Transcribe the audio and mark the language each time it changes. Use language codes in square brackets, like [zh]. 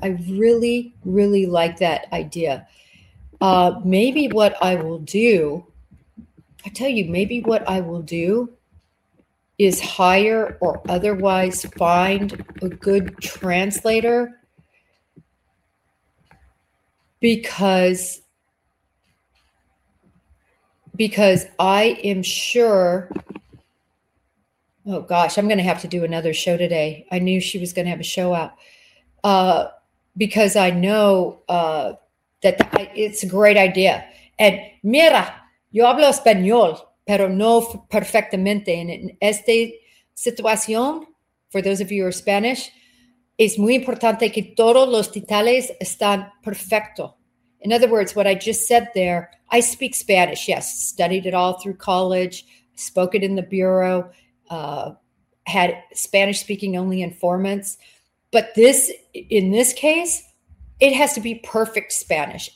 [en] I really, really like that idea. Maybe what I will do, I tell you, maybe what I will do is hire or otherwise find a good translator, because I am sure, oh gosh, I'm going to have to do another show today. I knew she was going to have a show out, because I know it's a great idea. And [es] mira, yo hablo español, pero no perfectamente. [en] And in [es] esta situación, [en] for those of you who are Spanish, [es] es muy importante que todos los detalles están perfecto. [en] In other words, what I just said there, I speak Spanish, yes, studied it all through college, spoke it in the Bureau, had Spanish-speaking only informants. But this, in this case, it has to be perfect Spanish.